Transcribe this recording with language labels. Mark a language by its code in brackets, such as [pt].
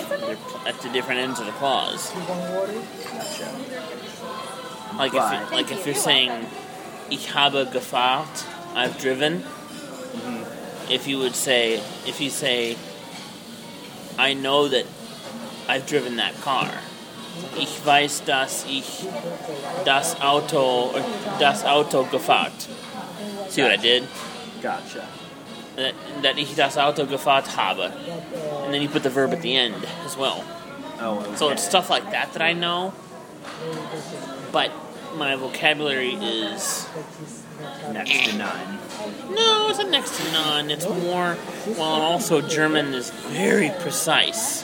[en] They're at the different ends of the clause. If you're saying, [de] ich habe gefahrt, [en] I've driven, if you say, I know that I've driven that car. [de] Ich weiß, dass ich das Auto gefahrt. [en] See what I did? Gotcha. [de] That ich das Auto gefahrt habe. [en] And then you put the verb at the end as well. Oh, okay. So it's stuff like that I know. But my vocabulary is next to none. No, it's not next to none. It's more, well, also German is very precise.